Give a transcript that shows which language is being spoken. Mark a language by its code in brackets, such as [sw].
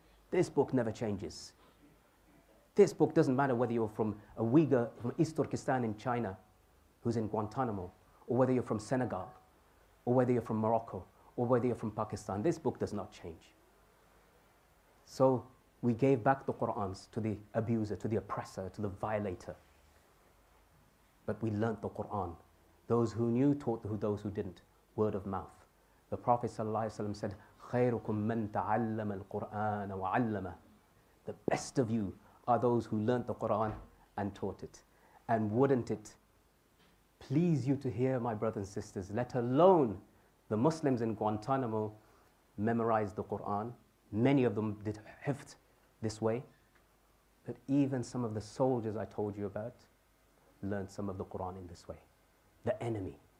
[en] This book never changes. This book doesn't matter whether you're from a Uyghur from East Turkestan in China, who's in Guantanamo, or whether you're from Senegal, or whether you're from Morocco, or whether you're from Pakistan. This book does not change. So we gave back the Qur'ans to the abuser, to the oppressor, to the violator. But we learnt the Qur'an. Those who knew taught those who didn't. Word of mouth. The Prophet ﷺ said, [ar] "خَيْرُكُمْ مَنْ تَعَلَّمَ الْقُرْآنَ وَعَلَّمَهُ." [en] The best of you are those who learnt the Qur'an and taught it. And wouldn't it please you to hear, my brothers and sisters, let alone the Muslims in Guantanamo memorized the Qur'an. Many of them did hifz this way. But even some of the soldiers I told you about learned some of the Qur'an in this way. The enemy.